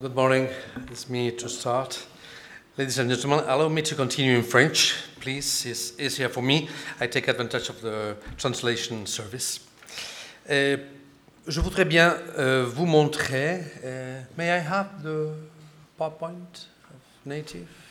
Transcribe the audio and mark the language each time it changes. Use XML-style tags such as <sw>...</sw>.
<en>Good morning, it's me to start. Ladies and gentlemen, allow me to continue in French, please. It's easier for me. I take advantage of the translation service.</en> <fr>Je voudrais bien vous montrer.</fr> <en>May I have the PowerPoint of native?</en>